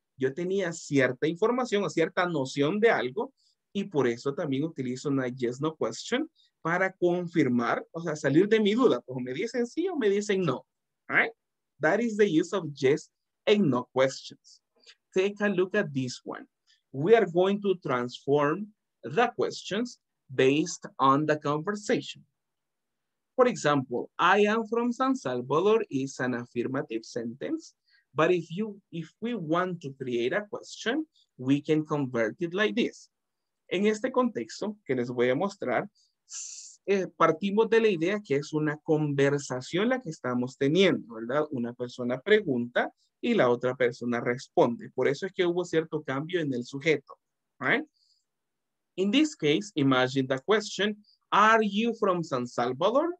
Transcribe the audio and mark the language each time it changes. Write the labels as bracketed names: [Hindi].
[Spanish] Yo tenía cierta información o cierta noción de algo y por eso también utilizo una yes, no question para confirmar, o sea, salir de mi duda. O me dicen sí o me dicen no, right? [English] That is the use of yes and no questions. Take a look at this one. We are going to transform the questions based on the conversation. For example, I am from San Salvador is an affirmative sentence, but if we want to create a question, we can convert it like this. [Spanish] En este contexto que les voy a mostrar, partimos de la idea que es una conversación la que estamos teniendo, ¿verdad? Una persona pregunta y la otra persona responde. Por eso es que hubo cierto cambio en el sujeto, right? [English] In this case, imagine the question, are you from San Salvador?